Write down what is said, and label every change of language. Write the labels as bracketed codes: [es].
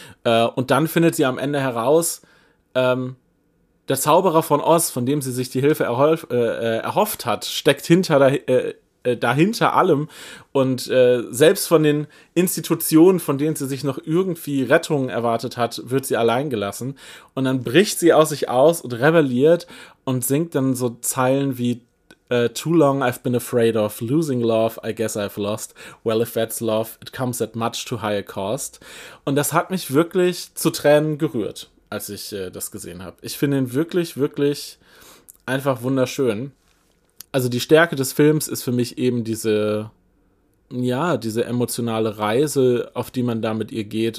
[de] Und dann findet sie am Ende heraus, der Zauberer von Oz, von dem sie sich die Hilfe erhofft hat, steckt hinter dahinter allem und selbst von den Institutionen, von denen sie sich noch irgendwie Rettungen erwartet hat, wird sie allein gelassen und dann bricht sie aus sich aus und rebelliert und singt dann so Zeilen wie [en] "Too long I've been afraid of losing love, I guess I've lost. Well, if that's love, it comes at much too high a cost." [de] Und das hat mich wirklich zu Tränen gerührt, als ich das gesehen habe. Ich finde ihn wirklich, wirklich einfach wunderschön. Also die Stärke des Films ist für mich eben diese ja, diese emotionale Reise, auf die man da mit ihr geht.